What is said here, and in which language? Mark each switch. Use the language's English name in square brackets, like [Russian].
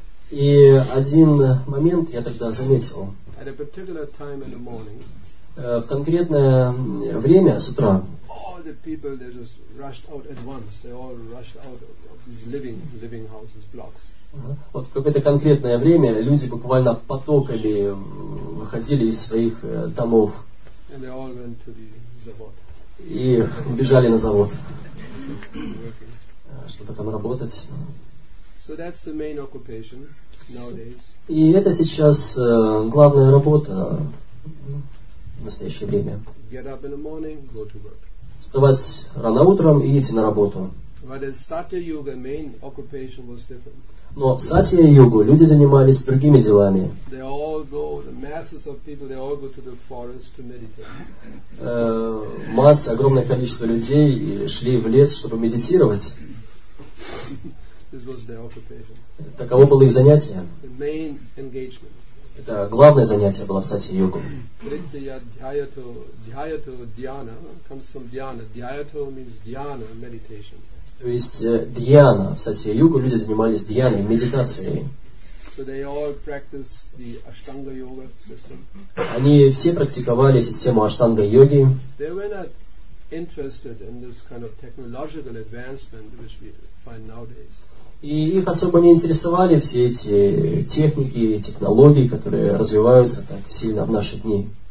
[Russian] И один момент я тогда заметил. [English] At a particular time in the morning, [Russian] в конкретное время с утра. [English] All the people, they just rushed out at once. They all rushed out of these living houses, blocks. [Russian] Вот в какое-то конкретное время люди буквально потоками выходили из своих домов. [English] And they all went to the завод. [Russian] И убежали на завод, чтобы там работать. [English] So that's the main occupation nowadays. [Russian] И это сейчас главная работа в настоящее время. [English] Get up in the morning, go to work. [Russian] Вставать рано утром и идти на работу. [English] But in Satya-yuga, main occupation was different. [Russian] Но в Сатья-югу люди занимались другими делами. [English] They all go, the masses of people, they all go to the forest to meditate. [Russian] Масса, огромное количество людей шли в лес, чтобы медитировать. [English] This was their occupation. [Russian] Таково было их занятие. [English] The main engagement. [Russian] Это главное занятие было в Сатья-йогу. [English] Dhyayato dhyana comes from dhyana. Dhyayato means dhyana, meditation. [Russian] То есть дьяна в Сатья-йогу люди занимались дьяной, медитацией. [English] So they all practice the Ashtanga yoga system. [Russian] Они все практиковали систему Аштанга-йоги. [English] They were not interested in this kind of technological advancement which we find nowadays. [Russian] И их особо не интересовали все эти техники, технологии, которые развиваются так сильно в наши дни.